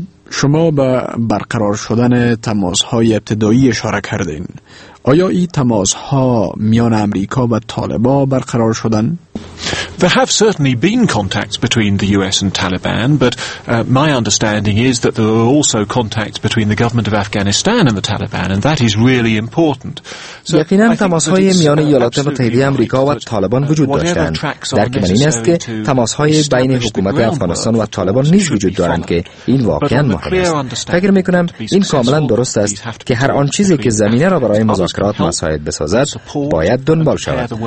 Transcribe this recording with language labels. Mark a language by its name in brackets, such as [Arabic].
[Persian] شما به برقرار شدن تماس‌های ابتدایی اشاره کردین. آیا این تماس‌ها میان آمریکا و طالبان برقرار شدن؟ [English] There have certainly been contacts between the US and Taliban, but my understanding is that there are also contacts between the government of Afghanistan and the Taliban, and that is really important. [Persian] So یقیناً تماس‌های میان ایالات متحده آمریکا و طالبان وجود داشتند. درک من این است که تماس‌های بین حکومت افغانستان و طالبان نیز وجود دارند که این واقعاً مهم است. فکر می‌کنم این کاملاً درست است که هر آن چیزی که زمینه را برای مذاکرات مساعد بسازد باید دنبال شود.